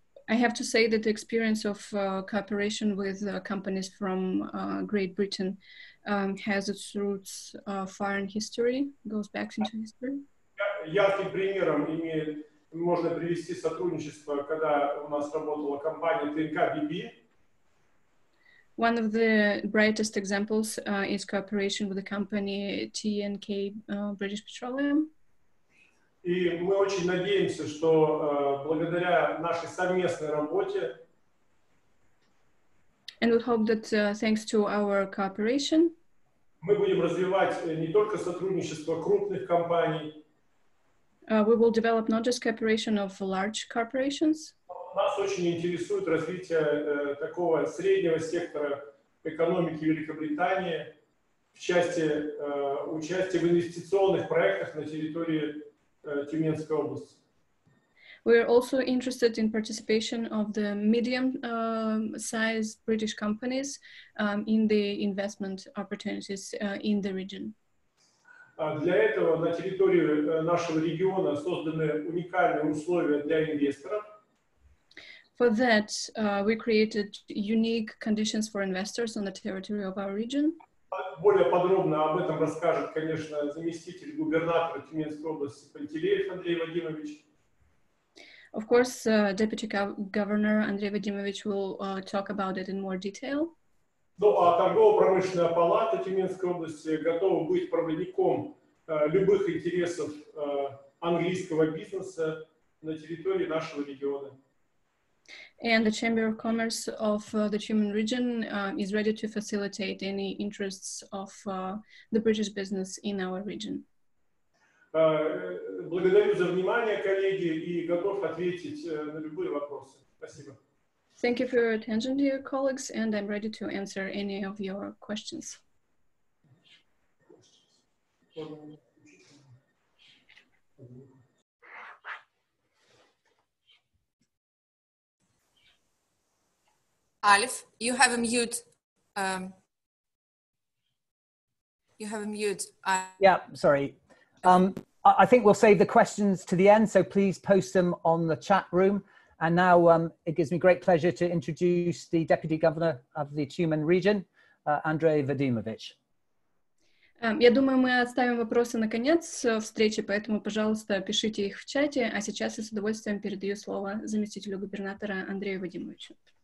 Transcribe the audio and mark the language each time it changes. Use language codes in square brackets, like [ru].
[en] I have to say that the experience of cooperation with companies from Great Britain has its roots far in history, goes back into history. [ru] Ярким примером можно привести сотрудничество, когда у нас работала компания ТНК BB. [en] One of the brightest examples is cooperation with the company TNK British Petroleum. [ru] И мы очень надеемся, что благодаря нашей совместной работе. [en] And we hope that thanks to our cooperation. [ru] Мы будем развивать не только сотрудничество крупных компаний. [en] We will develop not just cooperation of large corporations. [ru] Нас очень интересует развитие такого среднего сектора экономики Великобритании в части участия в инвестиционных проектах на территории Тюменской области. [en] We are also interested in participation of the medium-sized British companies in the investment opportunities in the region. [ru] Для этого на территории нашего региона созданы уникальные условия для инвесторов. [en] For that, we created unique conditions for investors on the territory of our region. [ru] Более подробно об этом расскажет, конечно, заместитель губернатора Тюменской области Пантелеев Андрей Вадимович. [en] Of course, Deputy Governor Andrey Vadimovich will talk about it in more detail. [ru] Ну, а торгово-промышленная палата Тюменской области готова быть проводником любых интересов английского бизнеса на территории нашего региона. [en] And the Chamber of Commerce of the Tumen region is ready to facilitate any interests of the British business in our region. [ru] Благодарю за внимание, коллеги, и готов ответить на любые вопросы. Спасибо. [en] Thank you for your attention, dear colleagues, and I'm ready to answer any of your questions. Alif, you have a mute. You have a mute. Sorry. I think we'll save the questions to the end, so please post them on the chat room. And now it gives me great pleasure to introduce the Deputy Governor of the Tumen region, Andrey Vadimovich. [ru] Я думаю, мы оставим вопросы на конец встречи, поэтому, пожалуйста, пишите их в чате. А сейчас я с удовольствием передаю слово заместителю губернатора Андрею Вадимовичу.